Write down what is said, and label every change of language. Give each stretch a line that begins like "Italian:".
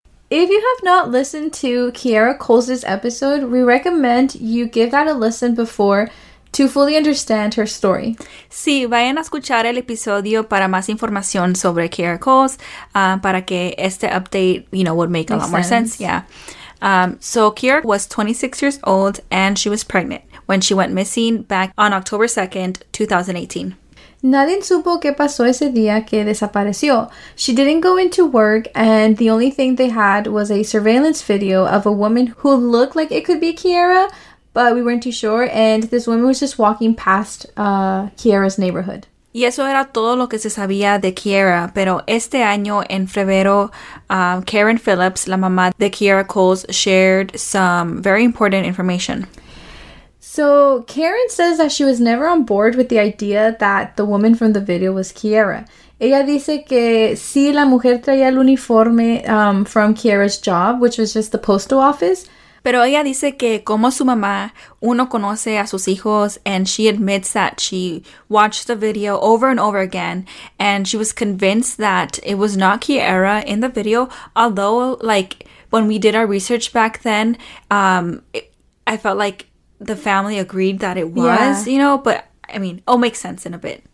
English: If you have not listened to Kiara Cole's episode, we recommend you give that a listen before to fully understand her story.
Spanish: Sí, vayan a escuchar el episodio para más información sobre Kiara Cole's, para que este update,
English: you know, would make a lot more sense. Yeah. So Kiara was 26 years old and she was pregnant when she went missing back on October 2nd, 2018.
Spanish: Nadie supo qué pasó ese día que desapareció.
English: She didn't go into work, and the only thing they had was a surveillance video of a woman who looked like it could be Kiara, but we weren't too sure, and this woman was just walking past Kiara's neighborhood.
Spanish: Y eso era todo lo que se sabía de Kiara, pero este año, en febrero, Karen Phillips, la mamá de Kiara Cole,
English: shared some very important information. So, Karen says that she was never on board with the idea that the woman from the video was Kiara.
Spanish: Ella dice que sí, la mujer traía el uniforme
English: from Kiara's job, which was just the postal office.
Spanish: Pero ella dice que como su mamá, uno conoce a sus hijos,
English: and she admits that she watched the video over and over again, and she was convinced that it was not Kiara in the video, although, like, when we did our research back then, I felt like the family agreed that it was, yeah. You know, but I mean, it'll make sense in a bit.